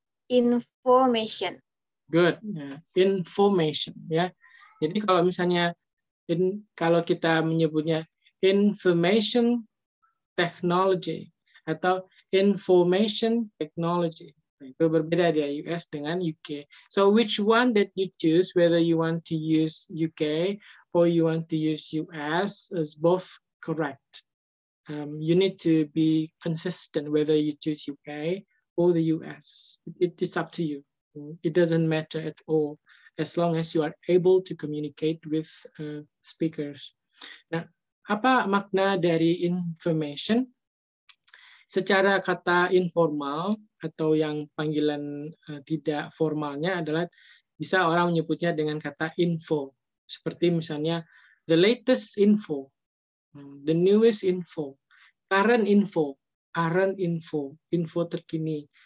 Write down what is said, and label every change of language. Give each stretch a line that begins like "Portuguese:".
English: Information. Good. Yeah. Information. Ya.
Indonesian: Jadi kalau misalnya kalau kita menyebutnya information technology atau information technology, itu berbeda dia US dengan UK.
English: So which one that you choose, whether you want to use UK or you want to use US, is both correct. You need to be consistent whether you choose UK or the US. It's up to you. It doesn't matter at all, as long as you are able to communicate with speakers.
Indonesian: Nah, apa makna dari information? Secara kata informal atau yang panggilan tidak formalnya adalah bisa orang menyebutnya dengan kata info. Seperti misalnya
English: the latest info, the newest info, current info, current info,
Indonesian: info terkini.